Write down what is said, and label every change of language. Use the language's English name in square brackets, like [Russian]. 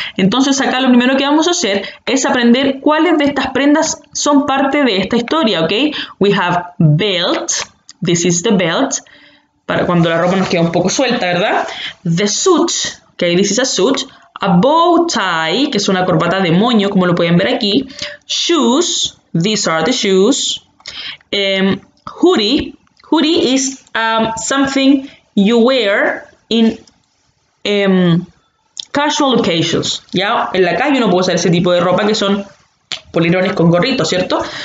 [Spanish] Entonces, acá lo primero que vamos a hacer es aprender cuáles de estas prendas son parte de esta historia, ¿ok? [English] We have belt. This is the belt. [Spanish] Para cuando la ropa nos queda un poco suelta, ¿verdad? [English] The suit. Ok, this is a suit. [Spanish] A bow tie, que es una corbata de moño, como lo pueden ver aquí. [English] Shoes. These are the shoes. Hoodie. Hoodie is something you wear in casual occasions. ¿Ya? [Spanish] En la calle uno puede usar ese tipo de ropa que son polerones con gorritos, ¿cierto?